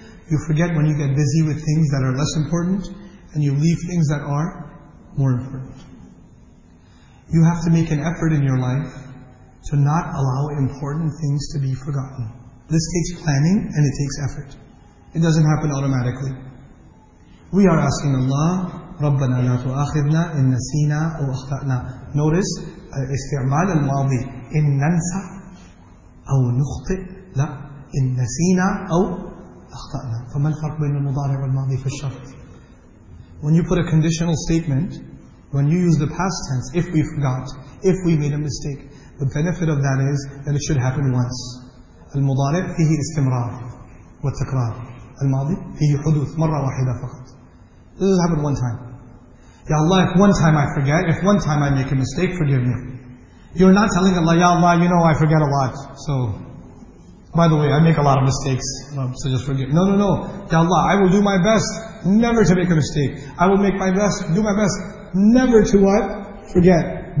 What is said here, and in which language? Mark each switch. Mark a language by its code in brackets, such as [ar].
[en] You forget when you get busy with things that are less important, and you leave things that are more important. You have to make an effort in your life to not allow important things to be forgotten. This takes planning and it takes effort. It doesn't happen automatically. We are asking Allah [ar] ربنا لا تؤاخذنا إن نسينا أو أخطأنا. [en] Notice [ar] استعمال الماضي إن ننسى أو نخطئ، لا إن نسينا أو أخطأنا. فما الفرق بين المضارع والماضي في الشرط؟ [en] When you put a conditional statement, when you use the past tense, if we forgot, if we made a mistake, the benefit of that is that it should happen once. [ar] المضارع فيه استمرار والتكرار، الماضي فيه حدوث مرة واحدة فقط. [en] This has happened one time. Ya Allah, if one time I forget, if one time I make a mistake, forgive me. You're not telling Allah, Ya Allah, you know I forget a lot. So, by the way, I make a lot of mistakes. So just forgive. No, no, no. Ya Allah, I will do my best never to make a mistake. I will make my best, do my best never to what? Forget.